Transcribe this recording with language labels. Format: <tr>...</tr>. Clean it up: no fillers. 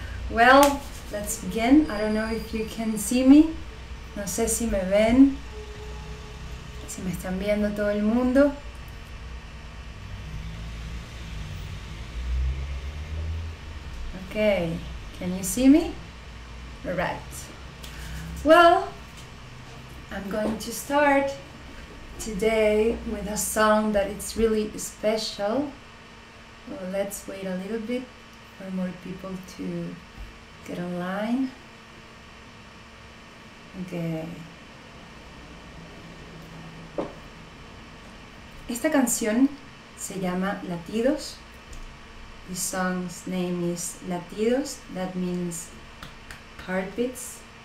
<en>Well, let's begin. I don't know if you can see me.</en> <es>No sé si me ven. Si me están viendo todo el mundo.</es> <en>Okay, can you see me? All right. Well, I'm going to start today with a song that it's really special. Well, let's wait a little bit for more people to get online. Okay.</en> <es>Esta canción se llama Latidos.</es> <en>This song's name is Latidos, that means heartbeats.</en>